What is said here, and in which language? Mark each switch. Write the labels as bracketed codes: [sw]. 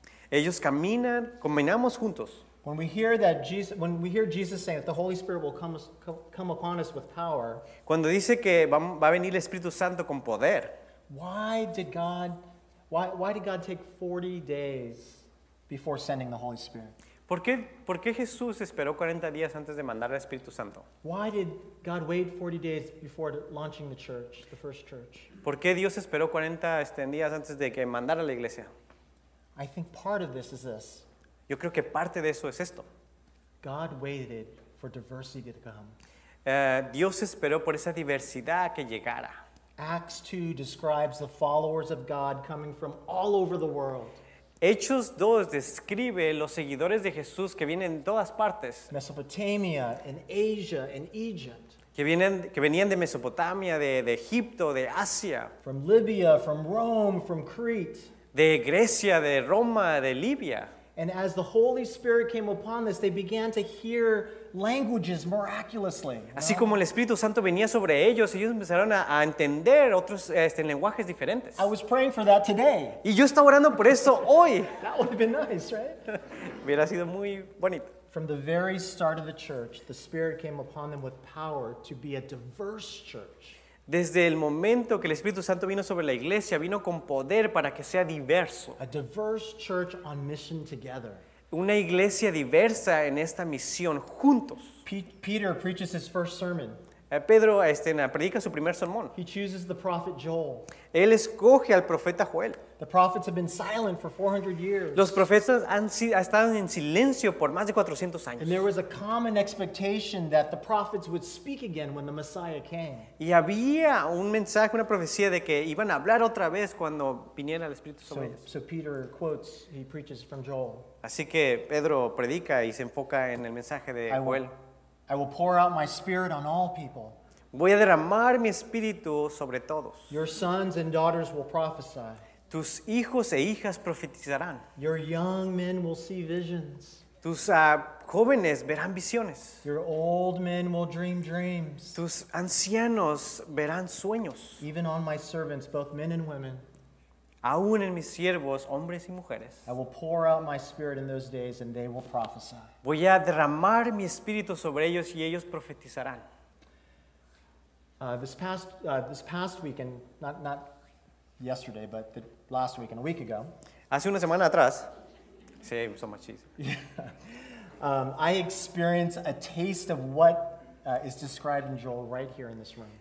[es] Ellos caminamos juntos. [en] When we hear Jesus saying that the Holy Spirit will come upon us with power. [es] Cuando dice que va a venir el Espíritu Santo con poder. [en] Why did God take 40 days before sending the Holy Spirit? [es] ¿Por qué Jesús esperó 40 días antes de mandar al Espíritu Santo? [en] Why did God wait 40 days before launching the church, the first church? [es] ¿Por qué Dios esperó 40 días antes de que mandara la iglesia? [en] I think part of this is this. [es] Yo creo que parte de eso es esto. [en] God waited for diversity to come. [es] Dios esperó por esa diversidad que llegara. [en] Acts 2 describes the followers of God coming from all over the world. [es] Hechos 2 describe los seguidores de Jesús que vienen de todas partes. [en] Mesopotamia, en Asia, en Egypt. [es] Que venían de Mesopotamia, de Egipto, de Asia. [en] From Libya, from Rome, from Crete. [es] De Grecia, de Roma, de Libia. [en] And as the Holy Spirit came upon this, they began to hear languages miraculously. [es] Así como el Espíritu Santo venía sobre ellos empezaron a entender otros lenguajes diferentes. [en] I was praying for that today. [es] Y yo estaba orando por eso hoy. [en] That would have been nice, right? [es] Hubiera sido muy bonito. [en] From the very start of the church, the Spirit came upon them with power to be a diverse church. [es] Desde el momento que el Espíritu Santo vino sobre la iglesia, vino con poder para que sea diverso. [en] A diverse church on mission together. [es] Una iglesia diversa en esta misión juntos. [en] Peter preaches his first sermon. [es] Pedro predica su primer sermón. [en] He chooses the prophet Joel. [es] Él escoge al profeta Joel. [en] The prophets have been silent for 400 years. [es] Los profetas han estado en silencio por más de 400 años. [en] And there was a common expectation that the prophets would speak again when the Messiah came. [es] Y había un mensaje, una profecía de que iban a hablar otra vez cuando viniera el Espíritu sobre ellos. [en] So Peter quotes, he preaches from Joel. [es] Así que Pedro predica y se enfoca en el mensaje de Joel. [en] I will pour out my spirit on all people. [es] Voy a derramar mi espíritu sobre todos. [en] Your sons and daughters will prophesy. [es] Tus hijos e hijas profetizarán. [en] Your young men will see visions. [es] Tus jóvenes verán visiones. [en] Your old men will dream dreams. [es] Tus ancianos verán sueños. [en] Even on my servants, both men and women. [es] Aún en mis siervos, hombres y mujeres. [en] I will pour out my spirit in those days and they will prophesy. [es] Voy a derramar mi espíritu sobre ellos y ellos profetizarán. [en] This past weekend, not yesterday, but the last weekend, a week ago. [es] Hace una semana atrás. Sí, [en] so much cheese. Yeah. I experienced a taste of what is described in Joel right here in this room.